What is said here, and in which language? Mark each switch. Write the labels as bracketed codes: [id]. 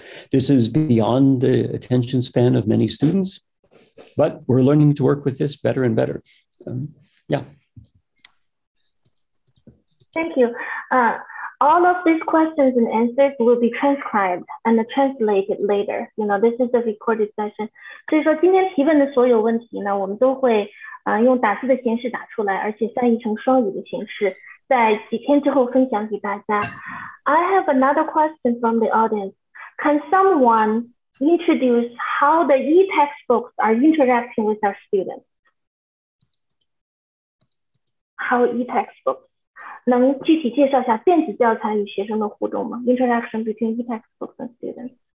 [en] This is beyond the attention span of many students, but we're learning to work with this better and better. Thank you. all of these questions and answers will be transcribed and translated later. You know, this is the recorded session. [zh] 所以说今天提问的所有问题呢，我们都会用打字的形式打出来，而且翻译成双语的形式，在几天之后分享给大家。 [en] I have another question from the audience. Can someone introduce how the e-textbooks are interacting with our students? How e-textbooks? [zh] 能具体介绍一下电子教材与学生的互动吗 ? [en] Interaction between e-textbooks and students.、